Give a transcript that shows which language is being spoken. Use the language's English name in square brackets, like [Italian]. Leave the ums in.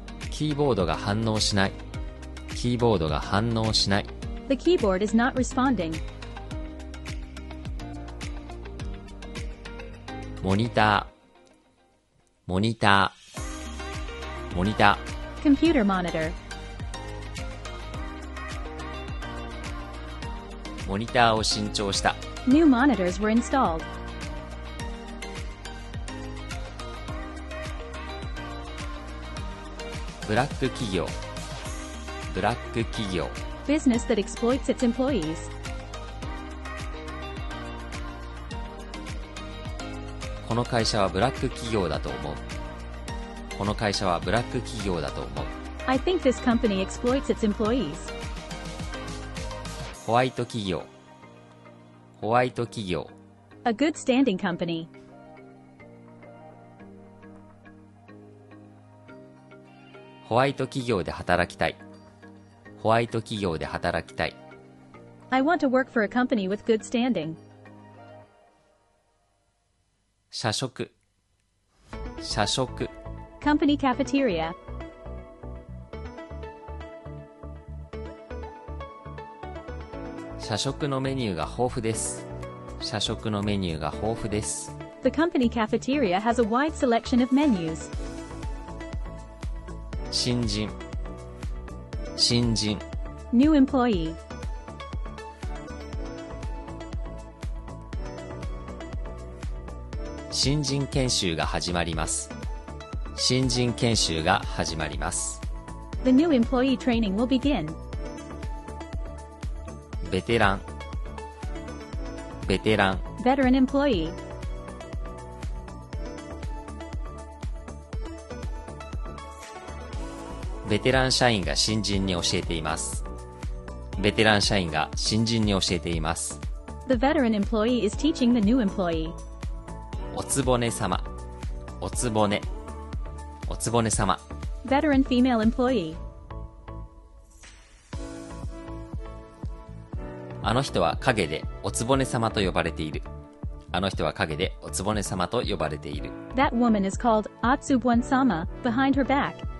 [Japanese] キーボードが反応しない。キーボードが反応しない。 [English] The keyboard is not responding. [Japanese] モニター、モニター、モニタ [English] ー。 Computer monitor. [Japanese] モニターを新調した。 [English] New monitors were installed. [Japanese] ブラック企業ブラック企業 [English] Business that exploits its employees [Japanese] この会社はブラック企業だと思うこの会社はブラック企業だと思う [English] I think this company exploits its employees [Japanese] ホワイト企業ホワイト企業 [English] A good standing company good [Japanese] ホワイト企業で働きたい。ホワイト企業で働きたい。 [English] I want to work for a company with good standing. [Japanese] 社食社食 [English] Company cafeteria. [Japanese] 社食のメニューが豊富です。社食のメニューが豊富です。 [English] The company cafeteria has a wide selection of menus. company has a [Japanese] 新人新人 [English] New employee [Japanese] 新人研修が始まります新人研修が始まります [English] The new employee training will begin. [Japanese] ベテランベテラン [English] Veteran employee [Japanese] ベテラン社員が新人に教えています。ベテラン社員が新人に教えています。 [English] The veteran employee is teaching the new employee. [Japanese] おつぼね様、おつぼね、おつぼね様。 [English] Veteran female employee. [Japanese] あの人は陰でおつぼね様と呼ばれている。あの人は陰でおつぼね様と呼ばれている。 [English] That woman is called Atsubon-sama behind her back.